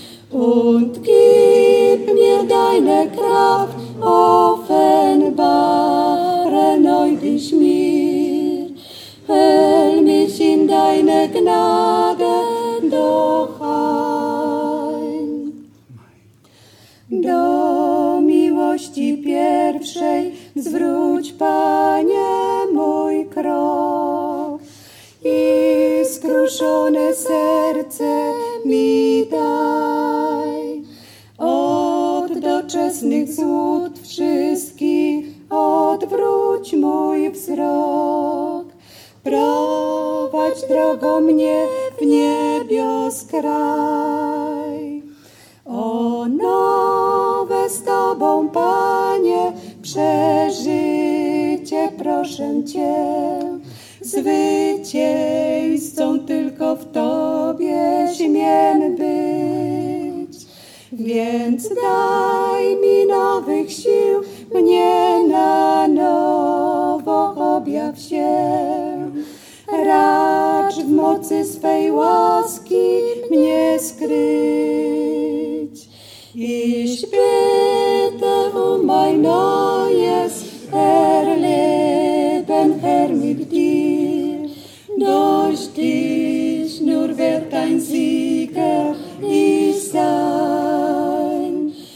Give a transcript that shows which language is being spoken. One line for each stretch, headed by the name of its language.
German: und gib mir deine Kraft, offenbare neu dich mir. Hüll mich in deine Gnade doch ein.
Polish: Do miłości pierwszej zwróć, Panie, mój krok. I skruszone serce mi daj. Od doczesnych złud wszystkich odwróć mój wzrok. Prowadź drogą mnie w niebios kraj. O nowe z Tobą, Panie, przeżycie proszę Cię. Zwycięzcą tylko w Tobie śmiem być. Więc daj mi nowych sił, mnie na nowo objaw się. Racz w mocy swej łaski mnie skryć.
German: Ich bitte um mein neues Erleben, Herr, mit dir. Durch dich nur wird ein Sieger ich sein.